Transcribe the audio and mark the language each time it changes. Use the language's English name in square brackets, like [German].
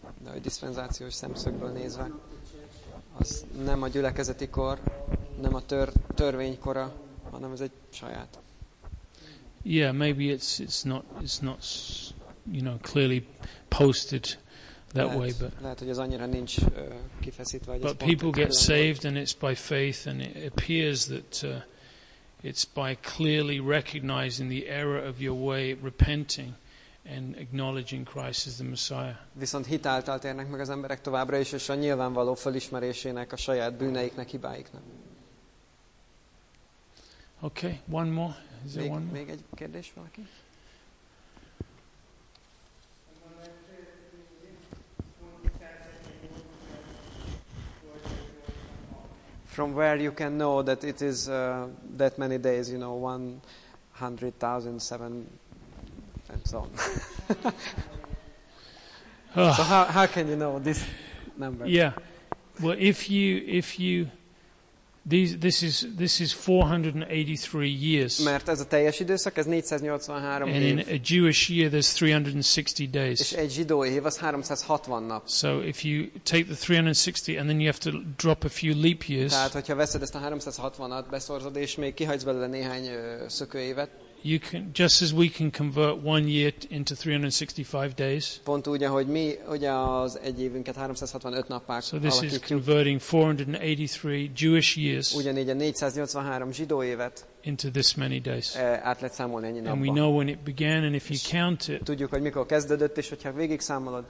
[Hungarian] hogy diszpenzációs szemszögből nézve, az nem a gyülekezeti kor, nem a törvénykora, hanem ez egy saját. [English] Yeah, maybe it's not you know, clearly posted that [Hungarian] lehet, [English] way, but [Hungarian] lehet, hogy ez annyira nincs kifeszítve, [English] but people get saved and it's by faith and it appears that it's by clearly recognizing the error of your way, repenting and acknowledging Christ as the Messiah. [Hungarian] Viszont hitáltal térnek meg az emberek továbbra is, és a nyilvánvaló felismerésének, a saját bűneiknek, hibáiknak. [English] Okay, one more. Is there [Hungarian] még, [English] one more? [Hungarian] Még egy kérdés valaki? [English] From where you can know that it is that many days, you know, 100,007 and so on. So how can you know this number? Yeah. Well, this is 483 years. [Hungarian] Mert ez a teljes időszak, ez 483 év. [English] And in a Jewish year there's 360 days. [Hungarian] És egy zsidó év az 360 nap. [English] So if you take the 360 and then you have to drop a few leap years. [Hungarian] Tehát hogyha veszed ezt a 360-at, beszorzod és még kihagysz belőle néhány szökőévet. [English] You can, just as we can convert one year into 365 days. [Hungarian] Pont úgy, ahogy mi, ugye az egy évünket 365 nappá alakítjuk. [English] So this is converting 483 Jewish years. [Hungarian] Ugyanígy a 483 zsidó évet. [English] Into this many days. [Hungarian] Át lehet számolni ennyi napba. [English] And we know when it began, and if you count it. [Hungarian] Tudjuk, hogy mikor kezdődött, és hogyha végig számolod.